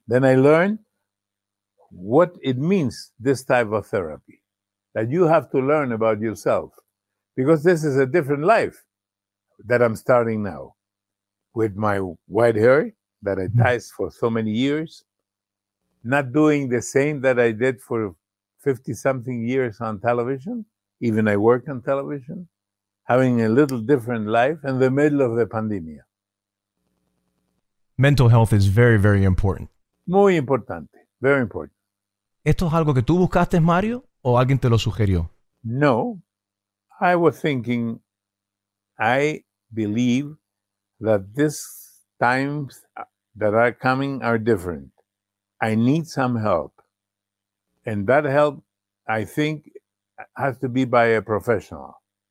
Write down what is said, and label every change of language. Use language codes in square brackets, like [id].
[en] Then I learned what it means, this type of therapy, that you have to learn about yourself, because this is a different life that I'm starting now with my white hair that I dyed for so many years, not doing the same that I did for 50 something years on television. Even I work on television, having a little different life in the middle of the pandemia. Mental health is very, very important. [es] Muy importante. [en] Very important. [es] ¿Esto es algo que tú buscaste, Mario, o alguien te lo sugirió? [en] No. I was thinking, I believe that these times that are coming are different. I need some help. And that help, I think, has to be by a professional.